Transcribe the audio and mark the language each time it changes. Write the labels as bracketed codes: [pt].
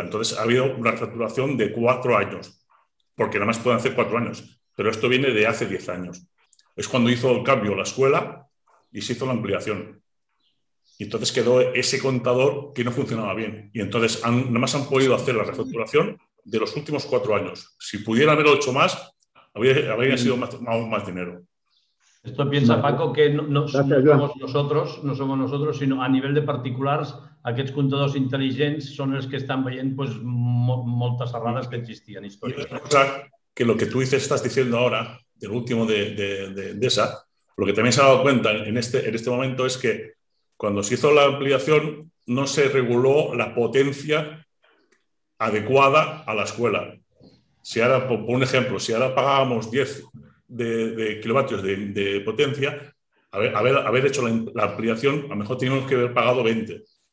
[es] Entonces, ha habido una refacturación de 4 años, porque nada más pueden hacer 4 años, pero esto viene de hace 10 años. Es cuando hizo el cambio la escuela y se hizo la ampliación. Y entonces quedó ese contador que no funcionaba bien. Y entonces, nada más han podido hacer la refacturación de los últimos 4 años. Si pudieran haberlo hecho más, Habría sido más dinero. Esto piensa, Paco, que no somos nosotros, sino [ca] a nivell de particulars, aquests comptadors intel·ligents són els que estan veient pues, moltes errades que existien històricament. [es] Que lo que tú dices, estás diciendo ahora, del último de esa, lo que también se ha dado cuenta en este momento es que cuando se hizo la ampliación no se reguló la potencia adecuada a la escuela. Si ahora, por un ejemplo, si ahora pagábamos 10 de kilovatios de potencia, haber hecho la ampliación, a lo mejor teníamos que haber pagado 20.